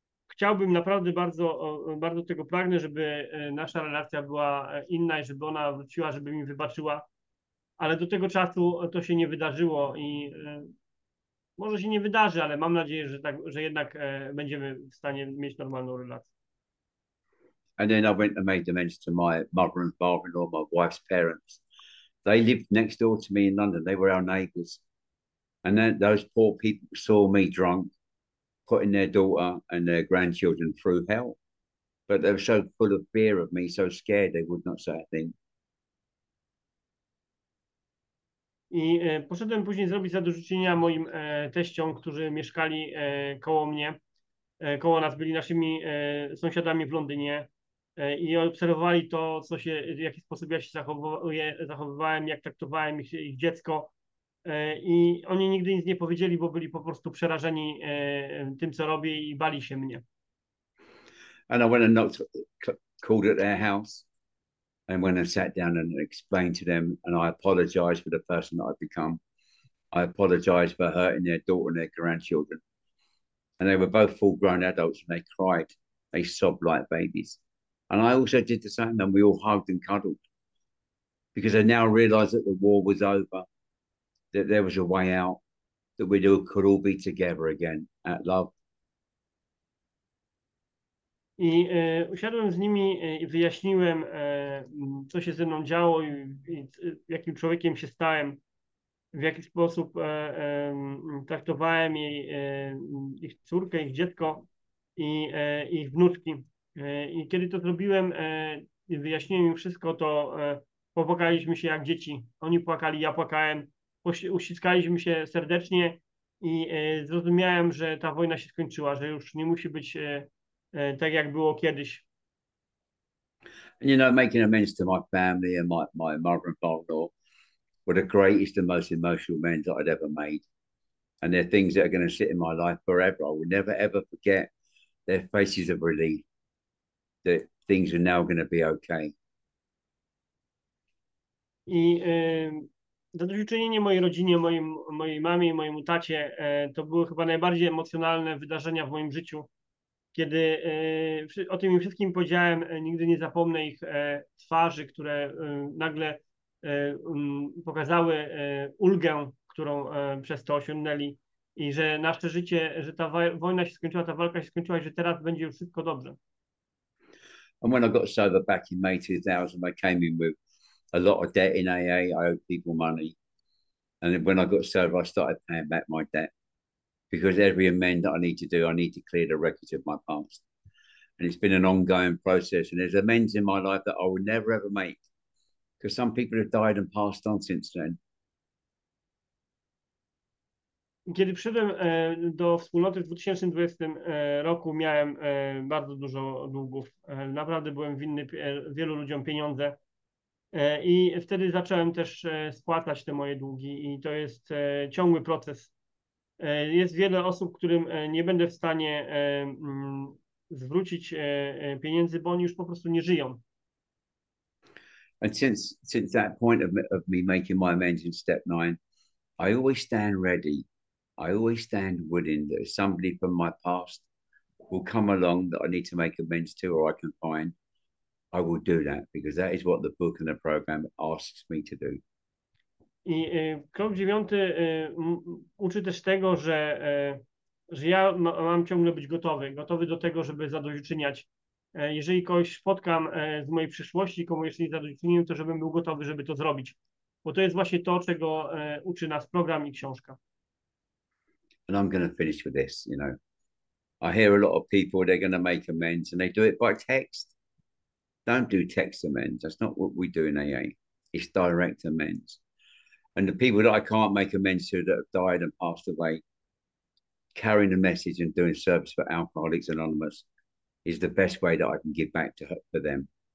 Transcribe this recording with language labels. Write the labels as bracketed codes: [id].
[pl] Chciałbym naprawdę bardzo, bardzo tego pragnę, żeby nasza relacja była inna i żeby ona wróciła, żeby mi wybaczyła. Ale do tego czasu to się nie wydarzyło i może się nie wydarzy, ale mam nadzieję, że tak, że jednak będziemy w stanie mieć normalną relację. [en] And then I went and made amends to my mother and father-in-law, my wife's parents. They lived next door to me in London. They were our neighbors. And then those poor people saw me drunk, putting their daughter and their grandchildren through hell. But they were so full of fear of me, so scared they would not say a thing. [pl] I poszedłem później zrobić zadośćuczynienia moim teściom, którzy mieszkali koło mnie, koło nas, byli naszymi sąsiadami w Londynie i obserwowali to, w jaki sposób ja się zachowywałem, jak traktowałem ich dziecko. I oni nigdy nic nie powiedzieli, bo byli po prostu przerażeni tym, co robię i bali się mnie. [en] And I went and knocked, called at their house and went and sat down and explained to them. And I apologized for the person that I've become. I apologized for hurting their daughter and their grandchildren. And they were both full grown adults and they cried. They sobbed like babies. And I also did the same. And we all hugged and cuddled because I now realized that the war was over, that there was a way out, that we all could all be together again at love. [pl] I usiadłem z nimi i wyjaśniłem, co się ze mną działo i jakim człowiekiem się stałem, w jaki sposób traktowałem ich córkę, ich dziecko i ich wnuczki. I kiedy to zrobiłem i wyjaśniłem im wszystko, to popłakaliśmy się jak dzieci. Oni płakali, ja płakałem. Uściskaliśmy się serdecznie i zrozumiałem, że ta wojna się skończyła, że już nie musi być tak jak było kiedyś. [en] And making amends to my family and my mother and father-in-law were the greatest and most emotional amends that I'd ever made. And they're things that are going to sit in my life forever. I will never, ever forget their faces of relief that things are now going to be okay. [pl] I Zadośćuczynienie mojej rodzinie, mojej mamie i mojemu tacie, to były chyba najbardziej emocjonalne wydarzenia w moim życiu. Kiedy o tym im wszystkim powiedziałem, nigdy nie zapomnę ich twarzy, które nagle pokazały ulgę, którą przez to osiągnęli i że nasze życie, że ta wojna się skończyła, ta walka się skończyła i że teraz będzie już wszystko dobrze. [en] And when I got sober back in May 2000, I came in with a lot of debt in AA. I owed people money. And when I got sober, I started paying back my debt because every amend that I need to do, I need to clear the records of my past. And it's been an ongoing process. And there's amends in my life that I will never ever make because some people have died and passed on since then. [pl] Kiedy przyszedłem do wspólnoty w 2020 roku, miałem bardzo dużo długów. Naprawdę byłem winny wielu ludziom pieniądze. I wtedy zacząłem też spłacać te moje długi, i to jest ciągły proces. Jest wiele osób, którym nie będę w stanie zwrócić pieniędzy, bo oni już po prostu nie żyją. [en] And since that point of me making my amends in step nine, I always stand ready. I always stand willing that somebody from my past will come along that I need to make amends to or I can find, I will do that because that is what the book and the program asks me to do. [pl] I krok dziewiąty uczy też tego, że ja mam ciągle być gotowy do tego, żeby zadośćuczyniać. Jeżeli kogoś spotkam z mojej przyszłości, komu jeszcze nie zadośćuczyniłem, to żebym był gotowy, żeby to zrobić. Bo to jest właśnie to, czego uczy nas program i książka. [en] And I'm going to finish with this, you know. I hear a lot of people, they're going to make amends and they do it by text. Don't do text amends. That's not what we do in AA. It's direct amends. And the people that I can't make amends to that have died and passed away, carrying the message and doing service for Alcoholics Anonymous is the best way that I can give back to her, for them.